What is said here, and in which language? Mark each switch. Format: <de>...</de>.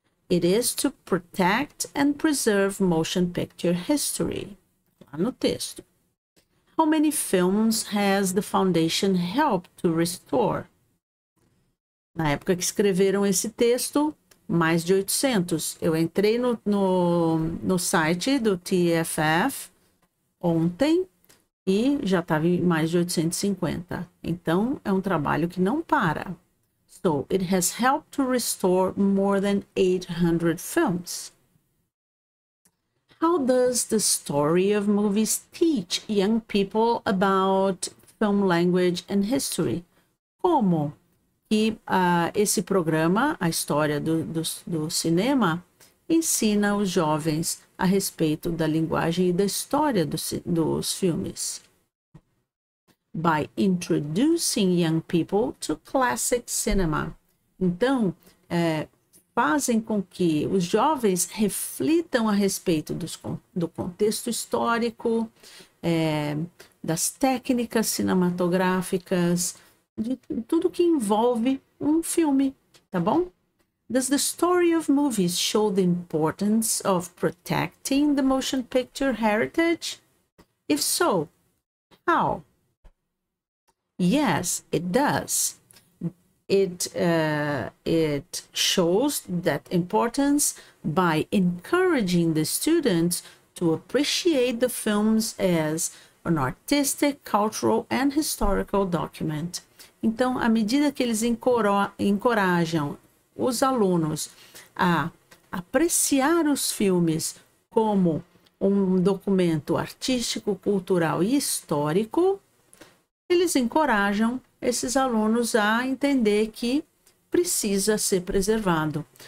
<en>It is to protect and preserve motion picture history.</en> <pt>Lá no texto.</pt> <en>How many films has the foundation helped to restore?</en> <pt>Na época que escreveram esse texto, mais de 800. Eu entrei no site do TFF ontem e já estava em mais de 850. Então, é um trabalho que não para.</pt> <en>So, it has helped to restore more than 800 films. How does the story of movies teach young people about film language and history?</en> <pt>Como que esse programa, a história do cinema, ensina os jovens a respeito da linguagem e da história dos filmes?</pt> <en>By introducing young people to classic cinema.</en> <pt>Então, fazem com que os jovens reflitam a respeito do contexto histórico, das técnicas cinematográficas, de tudo que envolve um filme, tá bom?</pt> <en>Does the story of movies show the importance of protecting the motion picture heritage? If so, how? Yes, it does. It shows that importance by encouraging the students to appreciate the films as an artistic, cultural and historical document.</en> <pt>Então, à medida que eles encorajam os alunos a apreciar os filmes como um documento artístico, cultural e histórico, eles encorajam esses alunos a entender que precisa ser preservado.</pt>